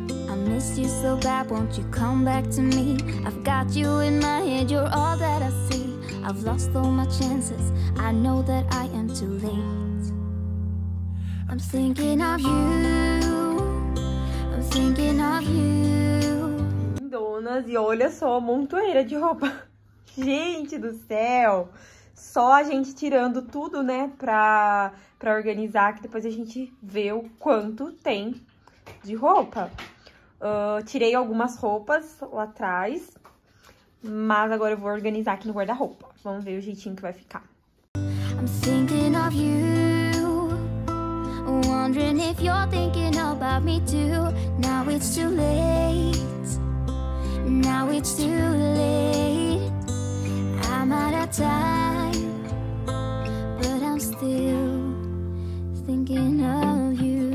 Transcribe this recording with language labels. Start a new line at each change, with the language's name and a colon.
English: I miss you so bad, won't you come back to me? I've got you in my head, you're all that I see. I've lost all my chances, I know that I am too late. I'm thinking of you, I'm thinking of you.
Portuguese: Donas, e olha só a montoeira de roupa. Gente do céu! Só a gente tirando tudo, né, pra organizar, que depois a gente vê o quanto tem de roupa. Tirei algumas roupas lá atrás, mas agora eu vou organizar aqui no guarda-roupa. Vamos ver o jeitinho que vai ficar.
English: I'm thinking of you, wondering if you're thinking about me too. Now it's too late, now it's too late. I'm out of time, but I'm still thinking of you.